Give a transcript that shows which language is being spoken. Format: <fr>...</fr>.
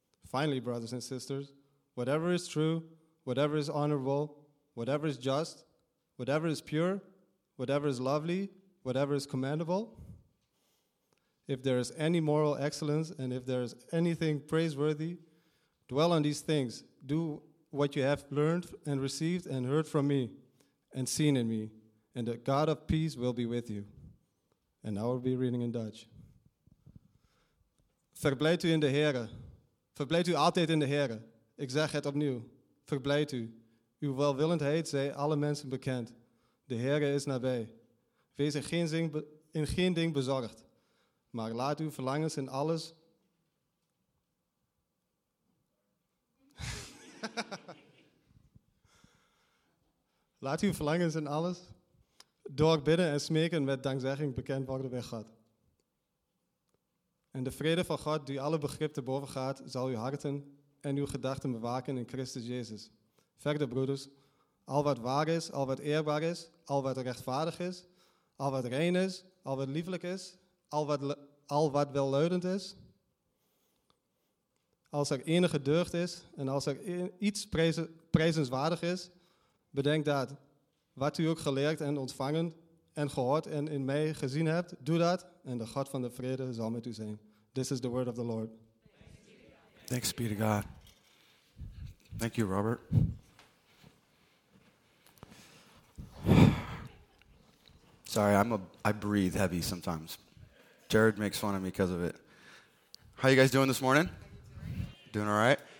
<en>Finally, brothers and sisters, whatever is true, whatever is honorable, whatever is just, whatever is pure, whatever is lovely, whatever is commendable, if there is any moral excellence and if there is anything praiseworthy, dwell on these things. Do what you have learned and received and heard from me and seen in me, and the God of peace will be with you. And I will be reading in Dutch.</en> <nl>Verblijd u in de Heere. Verblijd u altijd in de Heere. Ik zeg het opnieuw. Verblijd u. Uw welwillendheid zij alle mensen bekend. De Heere is nabij. Wees in geen ding bezorgd. Maar laat uw verlangens in alles. Laat uw verlangens in alles door bidden en smeken met dankzegging bekend worden bij God. En de vrede van God, die alle begrip te boven gaat, zal uw harten en uw gedachten bewaken in Christus Jezus. Verder, broeders. Al wat waar is, al wat eerbaar is, al wat rechtvaardig is, al wat rein is, al wat lieflijk is, al wat welluidend is. Als er enige deugd is en als er iets prijzenswaardig is, bedenk dat. Wat u ook geleerd en ontvangen en gehoord en in mij gezien hebt, doe dat en de God van de vrede zal met u zijn.</nl> <en>This is the word of the Lord. Thanks be to God. Thank you, Robert. Sorry, I breathe heavy sometimes. Jared makes fun of me because of it. How are you guys doing this morning? Doing all right?</en>